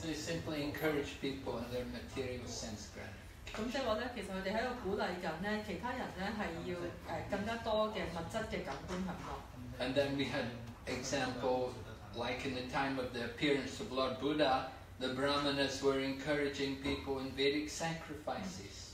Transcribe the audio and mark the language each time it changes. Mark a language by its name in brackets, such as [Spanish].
[English] they simply encourage people in their material sense gratitude. [Cantonese] 咁即係話咧，其實佢哋喺度鼓勵緊咧，其他人咧係要更加多嘅物質嘅感官享樂。 [English] And then we had example like in the time of the appearance of Lord Buddha, the brahmanas were encouraging people in Vedic sacrifices.